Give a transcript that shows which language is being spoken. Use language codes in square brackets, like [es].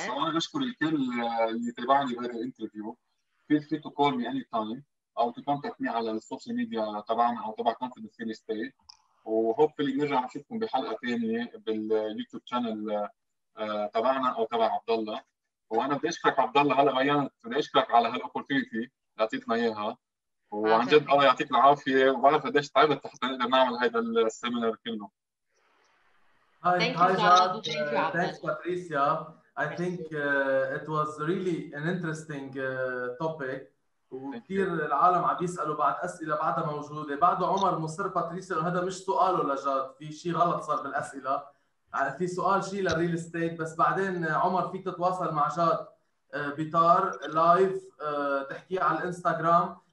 [ar] أنا بشكر الكل اللي تابعني بهذا الانترفيو، [en] feel free to call me anytime [ar] أو [en] to contact me [ar] على السوشيال ميديا طبعاً أو طبعاً Confidence Real Estate، و hopefully نرجع نشوفكم بحلقة تانية باليوتيوب شانل طبعاً أو تبع عبدالله. وأنا بدي أشكرك عبدالله هلأ بيان، بدي أشكرك على هالأوبورتيونيتي اللي أعطيتنا إياها، وعن جد الله يعطيك العافية، وبعرف قديش تعبت حتى نقدر نعمل هذا السيمينار كله. [en] Hi, hi, Jad. Thanks, Patricia. I think it was really an interesting topic. [ar] وكثير العالم عم بيسألوا بعد أسئلة بعدها موجودة. بعده عمر مصر باتريسيا، وهذا مش سؤاله لجاد، في شيء غلط صار بالأسئلة. في سؤال شيء للريل استيت، بس بعدين عمر فيك تتواصل مع جاد بطار لايف تحكيه على الإنستغرام.